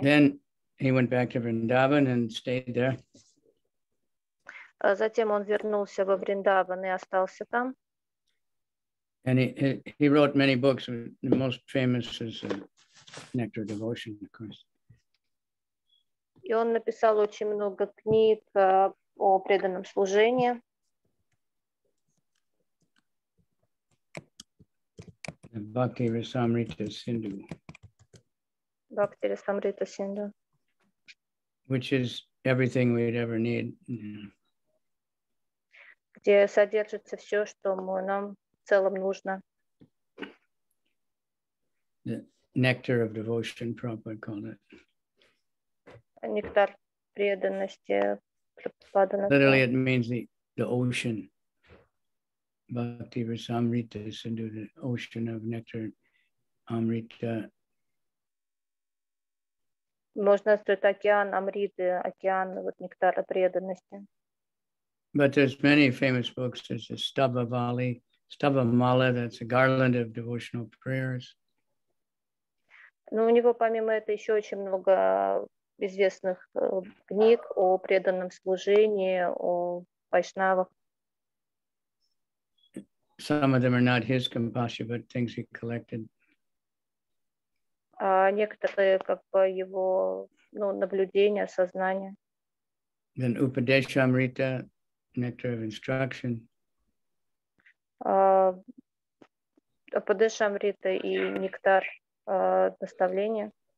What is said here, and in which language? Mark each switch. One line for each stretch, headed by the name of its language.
English: Then he went back to Vrindavan and stayed there.
Russian: Затем он вернулся во Вриндаван и остался там.
English: And he wrote many books. The most famous is Nectar Devotion, of course.
Russian: И он написал очень много книг о преданном служении.
English: Bhakti Rasamrita Sindhu.
Russian: Bhakti Rasamrita Sindhu.
English: Which is everything we'd ever need.
Russian: Где содержится все, что нам в целом нужно.
English: Nectar of devotion, Prabhupada called it.
Russian: Nectar преданности.
English: Literally, it means the the ocean. Bhakti Rasamrita is into the ocean of nectar. Amrita.
Russian: Можно сказать океан Амриты, океан вот нектара преданности.
English: But there's many famous books. There's the Stavavali, Stavamala, that's a garland of devotional prayers.
Russian: Но у него помимо этого еще очень много известных книг о преданном служении, о вайшнавах.
English: Some of them are not his compassion, but things he collected.
Russian: Некоторые как бы его наблюдения, сознания.
English: Then Upadeshamrita, nectar of instruction.
Russian: Upadeshamrita и нектар наставления.